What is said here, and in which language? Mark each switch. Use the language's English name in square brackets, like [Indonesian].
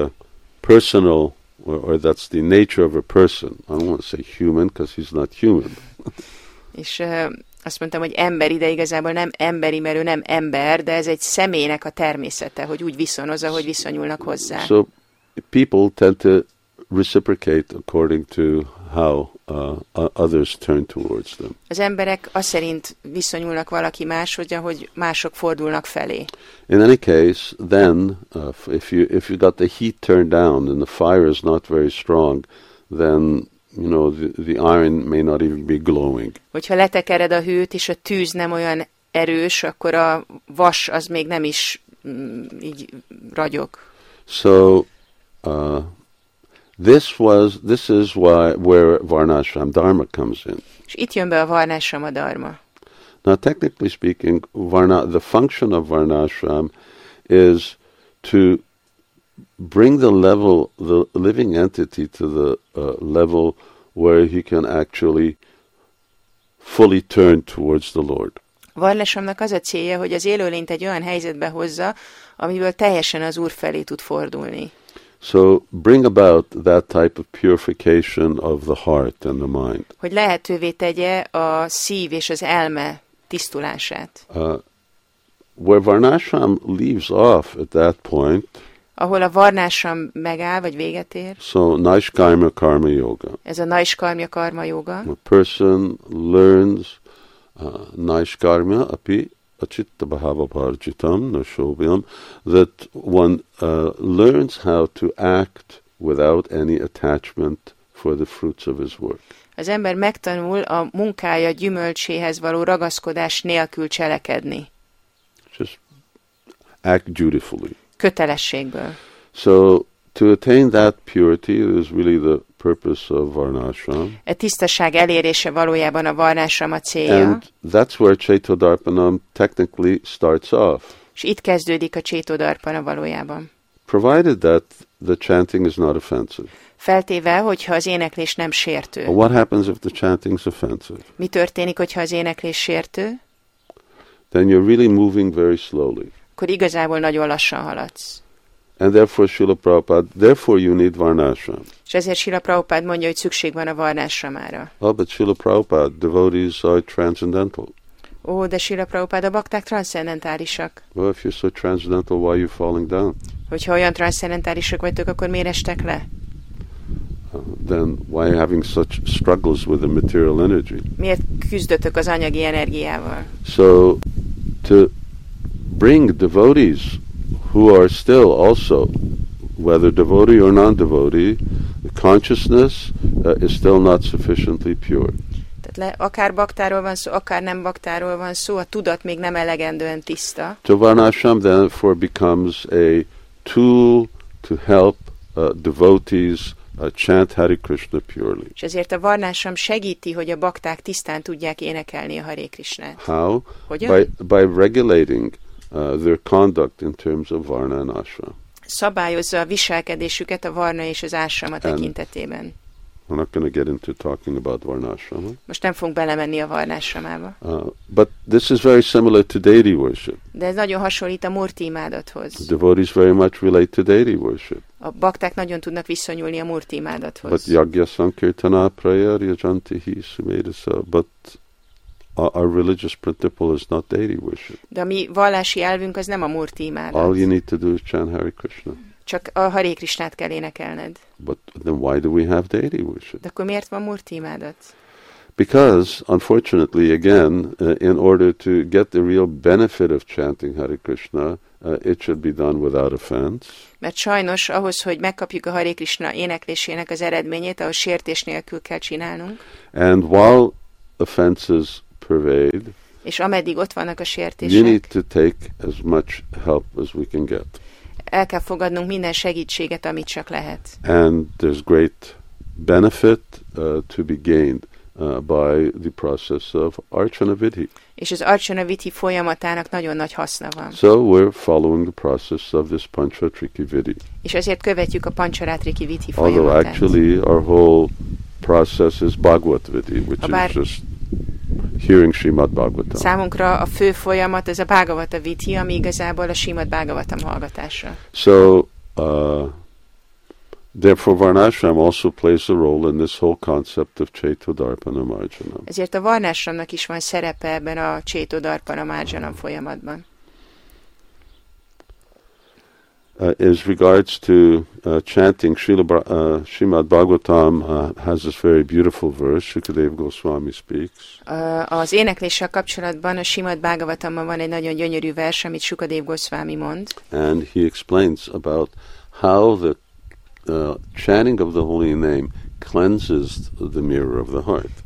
[English] That's a personal, or that's the nature of a person. I don't want to say human, because he's not human. [Hungarian] És azt mondtam, hogy emberi, de igazából nem emberi, mert ő nem ember, de ez egy személynek a természete, hogy úgy viszonoz, ahogy viszonyulnak hozzá. [English] So people tend to reciprocate according to how others turn towards them. [Hungarian] Az emberek aszerint viszonyulnak valaki máshogy, ahogy mások fordulnak felé. [English] In any case, then if you got the heat turned down and the fire is not very strong, then you know the iron may not even be glowing. [Hungarian] Hogyha letekered a hőt és a tűz nem olyan erős, akkor a vas az még nem is így ragyog. [English] So This is where Varnashram Dharma comes in. [Hungarian] És itt jön be a Varnashrama Dharma. [English] Now, technically speaking, the function of Varnashram is to bring the living entity to the level where he can actually fully turn towards the Lord. [Hungarian] Varnashramnak az a célja, hogy az élőlényt egy olyan helyzetbe hozza, amiből teljesen az Úr felé tud fordulni. [English] So bring about that type of purification of the heart and the mind. [Hungarian] Hogy lehetővé tegye a szív és az elme tisztulását. [English] Where Varnashram leaves off at that point. [Hungarian] Ahol a Varnashram megáll vagy véget ér. [English] So Naishkarma Karma Yoga. [Hungarian] Ez a Naishkarma Karma Yoga. [English] A person learns [Sanskrit] Naishkarma api Achitta Bhava Parjitam Nashobhyam, [English] that one learns how to act without any attachment for the fruits of his work. [Hungarian] Az ember megtanul a munkája gyümölcséhez való ragaszkodás nélkül cselekedni. [English] Just act dutifully. [Hungarian] Kötelességből. [English] So to attain that purity is really the purpose of Varnashram. [Hungarian] A tisztaság elérése valójában a Varnashram a célja. [English] And that's where Chaitodarpanam technically starts off. [Hungarian] És itt kezdődik a Chaitodarpana valójában. [English] Provided that the chanting is not offensive. [Hungarian] Feltéve, hogyha az éneklés nem sértő. [English] But what happens if the chanting is offensive? [Hungarian] Mi történik, hogyha az éneklés sértő? [English] Then you're really moving very slowly. [Hungarian] Akkor igazából nagyon lassan haladsz. [English] And therefore Srila Prabhupada, therefore you need Varnashram. [Hungarian] És ezért Srila Prabhupada mondja, hogy szükség van a Varnashramára. [English] Oh, but Srila Prabhupada, devotees are transcendental. [Hungarian] Ó, de Srila Prabhupada, a bakták transzcendentálisak. [English] Well, if you're so transcendental, why are you falling down? [Hungarian] Hogyha olyan transzcendentálisak vagytok, akkor miért estek le? [English] Then why are you having such struggles with the material energy? [Hungarian] Miért küzdötök az anyagi energiával? [English] So to bring devotees who are still also, whether devotee or non-devotee, the consciousness is still not sufficiently pure. [Hungarian] Tehát akár baktáról van szó, akár nem baktáról van szó, a tudat még nem elegendően tiszta. [English] Tovarnasham therefore becomes a tool to help devotees chant Hare Krishna purely. [Hungarian] És ezért a varnásam segíti, hogy a bakták tisztán tudják énekelni a Hare Krishnát. [English] How? [Hungarian] Hogyan? [English] By regulating their conduct in terms of varna and ashrama. [Hungarian] Szabályozza a viselkedésüket a varna és az ashrama tekintetében. [English] We're not going to get into talking about varnashrama. [Hungarian] Most nem fogunk belemenni a varnashramába. [English] But this is very similar to deity worship. [Hungarian] De ez nagyon hasonlít a murti imádathoz. [English] The devotees very much relate to deity worship. [Hungarian] A bakták nagyon tudnak viszonyulni a murti imádathoz. [Sanskrit] But yagya sankirtana prayer yajanti hi sumedasa. [English] But our religious principle is not deity worship. [Hungarian] De a mi vallási elvünk az nem a murti imádat. [English] All you need to do is chant Hare Krishna. [Hungarian] Csak a Hare Krishnát kell énekelned. [English] But then why do we have deity worship? [Hungarian] De akkor miért van murti imádat? [English] Because, unfortunately, again, in order to get the real benefit of chanting Hare Krishna, it should be done without offense. [Hungarian] Mert sajnos ahhoz, hogy megkapjuk a Hare Krishna éneklésének az eredményét, ahhoz sértés nélkül kell csinálnunk. [English] And while offenses pervade, [Hungarian] és ameddig ott vannak a sértések, [English] you need to take as much help as we can get. [Hungarian] El kell fogadnunk minden segítséget, amit csak lehet. [English] And there's great benefit to be gained by the process of archana vidhi. [Hungarian] És az archana vidhi folyamatának nagyon nagy haszna van. [English] So we're following the process of this pancharatriki vidhi. [Hungarian] És ezért követjük a pancharatriki vidhi folyamatát. [English] Although actually our whole process is bhagavat vidhi, which is just hearing Srimad Bhagavatam. [Hungarian] Számunkra a fő folyamat ez a Bhagavata Vithi, ami igazából a Srimad Bhagavatam hallgatása. [English] So, therefore Varnashram also plays a role in this whole concept of Chaito Darpana Marjanam. [Hungarian] Ezért a Varnashramnak is van szerepe ebben a Chaito Darpana Marjanam folyamatban. [English] As regards to chanting Srimad Bhagavatam has this very beautiful verse Sukadeva Goswami speaks. [Hungarian] Az énekléssel kapcsolatban a Srimad Bhagavatamban van egy nagyon gyönyörű vers, amit Sukadeva Goswami mond. [English] And he explains about how the chanting of the holy name cleanses the mirror of the heart.